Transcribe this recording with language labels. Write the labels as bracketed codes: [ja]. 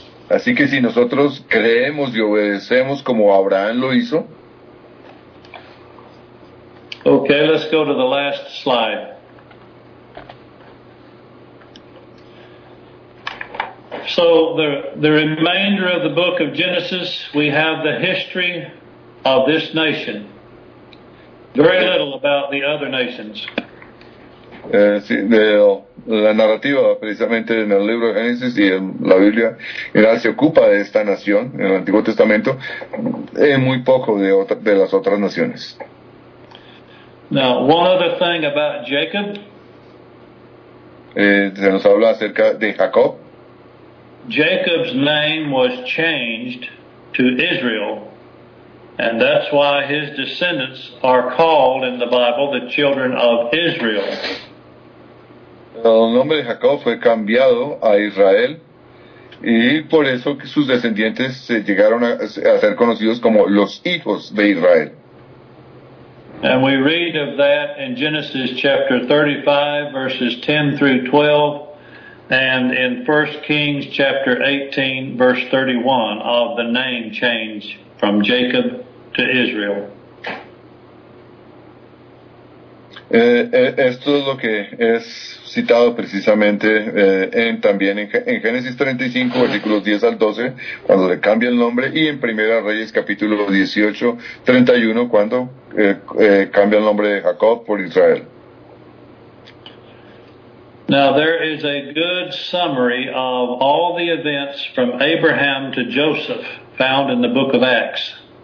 [es] Así que si nosotros creemos y obedecemos como Abraham lo hizo. [en] Okay, let's go to the last slide. So the remainder of the book of Genesis, we have the history of this nation. Very little about the other nations. [es] Sí, de la narrativa precisamente en el libro de Génesis y en la Biblia, era, se ocupa de esta nación en el Antiguo Testamento, muy poco de otra, de las otras naciones. [en] Now, one other thing about Jacob. [es] Se nos habla acerca de Jacob. [en] Jacob's name was changed to Israel, and that's why his descendants are called in the Bible the children of Israel. [es] El nombre de Jacob fue cambiado a Israel, y por eso que sus descendientes se llegaron a ser conocidos como los hijos de Israel. [en] And we read of that in Genesis chapter 35, verses 10 through 12, and in 1 Kings chapter 18, verse 31, of the name change from Jacob to Israel. [es] Esto es lo que es citado precisamente también en Génesis 35, versículos 10 al 12, cuando le cambia el nombre, y en Primera Reyes capítulo 18, 31, cuando cambia el nombre de Jacob por Israel. [en] Now there is a good summary of all the events from Abraham to Joseph found in the book of Acts.